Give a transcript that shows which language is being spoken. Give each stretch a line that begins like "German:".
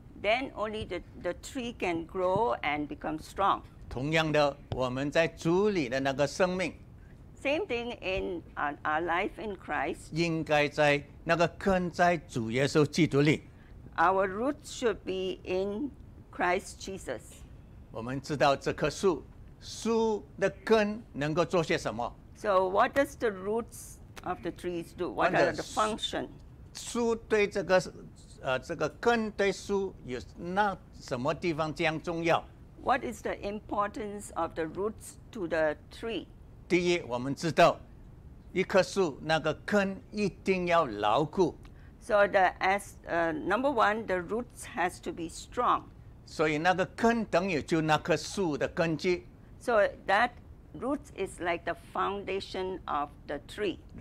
English: Then only the tree can grow and become strong.
Chinese: 同样的，我们在主里的那个生命。
English: Same thing in our life in Christ.
Chinese: 应该在那个根在主耶稣基督里。
English: Our roots should be in Christ Jesus.
Chinese: 我们知道这棵树，树的根能够做些什么？
English: So what does the roots of the trees do? What are the function?
Chinese: 树对这个根对树有那什么地方这样重要？
English: What is the importance of the roots to the tree?
Chinese: 第一，我们知道一棵树那个根一定要牢固。
English: So number one, the roots has to be strong.
Chinese: 所以那个根等于就那棵树的根基。
English: So that roots is like the foundation of the tree.